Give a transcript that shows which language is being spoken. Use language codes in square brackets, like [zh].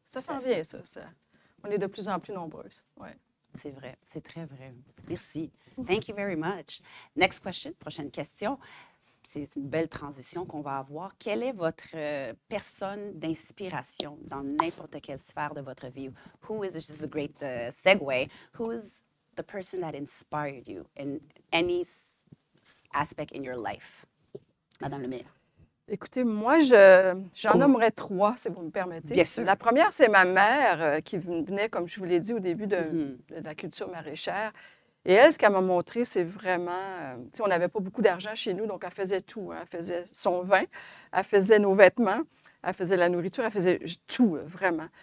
[fr] Ça s'en vient, ça. On est de plus en plus nombreuses. Oui. C'est vrai, c'est très vrai. Merci. [en] Thank you very much. Next question, [fr] prochaine question. C'est une belle transition qu'on va avoir. Quelle est votre personne d'inspiration dans n'importe quelle sphère de votre vie? [en] Who is, this is a great segue, who is the person that inspired you in any aspect in your life? [fr] Madame Le Maire. Écoutez, moi, j'en nommerais trois, si vous me permettez. Bien sûr. La première, c'est ma mère qui venait, comme je vous l'ai dit au début, de la culture maraîchère. Et elle, ce qu'elle m'a montré, c'est vraiment... tu sais, on n'avait pas beaucoup d'argent chez nous, donc elle faisait tout. Hein. Elle faisait son vin, elle faisait nos vêtements, elle faisait la nourriture, elle faisait tout, vraiment.